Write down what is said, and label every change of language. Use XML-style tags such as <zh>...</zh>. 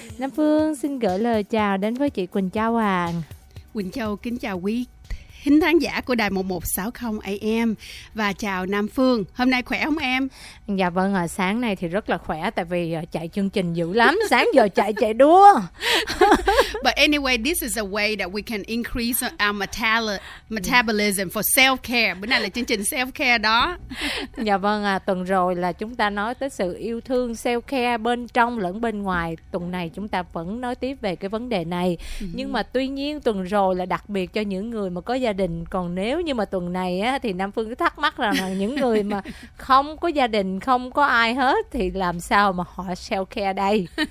<vi>Nam Phương xin gửi lời chào đến với chị Quỳnh Châu à. Quỳnh Châu kính chào quý thính khán giả của đài 1160 AM và chào Nam Phương. Hôm nay khỏe không em? Dạ vâng, sáng nay thì rất là khỏe tại vì chạy chương trình dữ lắm, sáng giờ chạy đua.</vi> <en>But anyway, this is a way that we can increase our metabolism for self-care.</en> <vi>Bữa nay là chương trình self-care đó. Dạ vâng, tuần rồi là chúng ta nói tới sự yêu thương self-care bên trong lẫn bên ngoài. Tuần này chúng ta vẫn nói tiếp về cái vấn đề này. Nhưng mà tuy nhiên tuần rồi là đặc biệt cho những người mà có gia đình, còn nếu như mà tuần này á thì Nam Phương cứ thắc mắc rằng là những người mà không có gia đình, không có ai hết thì làm sao mà họ self care đây.</vi>